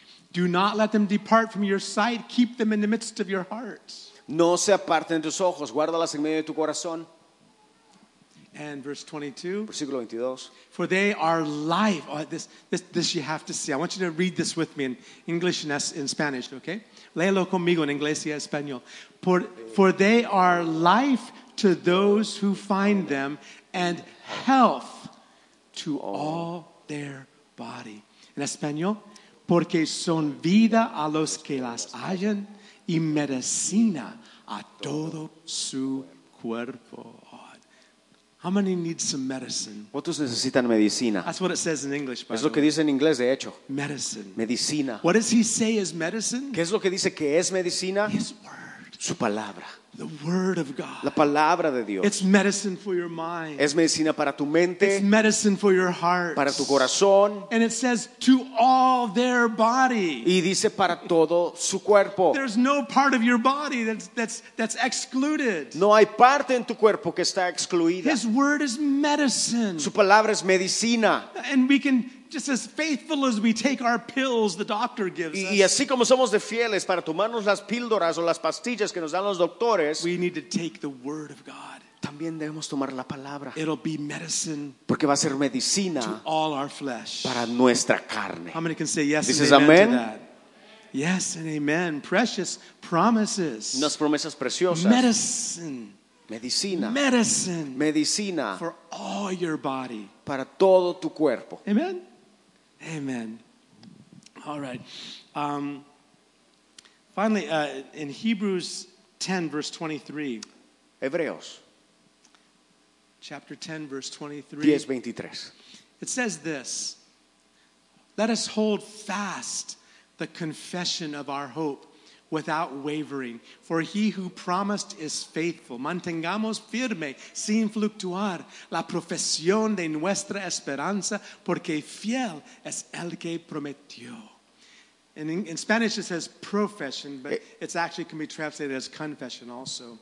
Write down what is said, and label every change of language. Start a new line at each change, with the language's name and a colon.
English: Do not let them depart from your sight. Keep them in the midst of your heart.
Spanish: No se aparten de tus ojos, guárdalas en medio de tu corazón.
English: And verse 22.
Spanish: Versículo 22.
English: For they are life. Oh, this you have to see. I want you to read this with me in English and in Spanish, okay?
Spanish: Léelo conmigo en inglés y español.
English: For they are life to those who find them and health to all their body.
Spanish: En español, porque son vida a los que las hallan y medicina a todo su cuerpo.
English: How many need some medicine?
Spanish: ¿Cuántos necesitan medicina?
English: That's what it says in English, by
Spanish: es lo que
English: way.
Spanish: Dice en inglés, de hecho.
English: Medicine.
Spanish: Medicina.
English: What does he say is medicine?
Spanish: ¿Qué es lo que dice que es medicina?
English: His word.
Spanish: Su palabra.
English: The word of God.
Spanish: La palabra de Dios.
English: It's medicine for your mind.
Spanish: Es medicina para tu mente.
English: It's medicine for your heart.
Spanish: Para tu corazón.
English: And it says to all their body.
Spanish: Y dice para todo su cuerpo.
English: There's no part of your body that's excluded.
Spanish: No hay parte en tu cuerpo que está excluida.
English: His word is medicine.
Spanish: Su palabra es medicina.
English: And we can just as faithful as we take our pills the doctor gives us.
Spanish: Y así como somos de fieles para tomarnos las píldoras o las pastillas que nos dan los doctores,
English: we need to take the word of God.
Spanish: También debemos tomar la palabra.
English: It'll be medicine.
Spanish: Porque va a ser medicina
English: to all our flesh.
Spanish: Para nuestra carne.
English: How many can say yes?
Spanish: Dices amén.
English: Yes and amen. Precious promises.
Spanish: Unas promesas preciosas.
English: Medicine.
Spanish: Medicina.
English: Medicine.
Spanish: Medicina.
English: For all your body.
Spanish: Para todo tu cuerpo.
English: Amen. Amen. All right. Finally, in Hebrews 10, verse 23.
Spanish: Hebreos.
English: Chapter 10, verse 23. 10:23. It says this. Let us hold fast the confession of our hope without wavering. For he who promised is faithful.
Spanish: Mantengamos firme, sin fluctuar, la profesión de nuestra esperanza, porque fiel es el que prometió.
English: And in Spanish it says profession, but it actually can be translated as confession also.